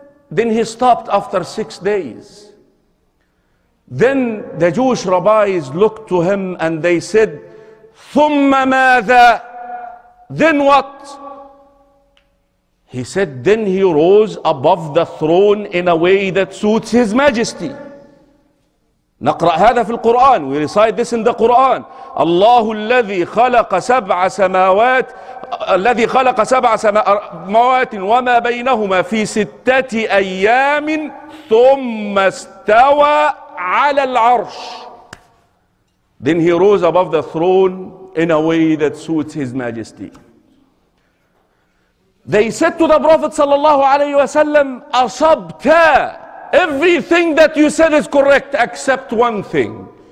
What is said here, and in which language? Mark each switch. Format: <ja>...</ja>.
<en>Then he stopped after 6 days. Then the Jewish rabbis looked to him and they said,</en> <ar>ثُمَّ مَاذَا,</ar> <en>then what? He said, then he rose above the throne in a way that suits his majesty.</en> <ar>نقرأ هذا في القرآن.</ar> <en>We recite this in the Quran.</en> <ar>الله الذي خلق سبع سماوات الذي خلق سبع سماوات وما بينهما في ستة أيام ثم استوى على العرش.</ar> <en>Then he rose above the throne in a way that suits his majesty. They said to the Prophet sallallahu alayhi wasallam, asabta, everything that you said is correct except one thing.</en>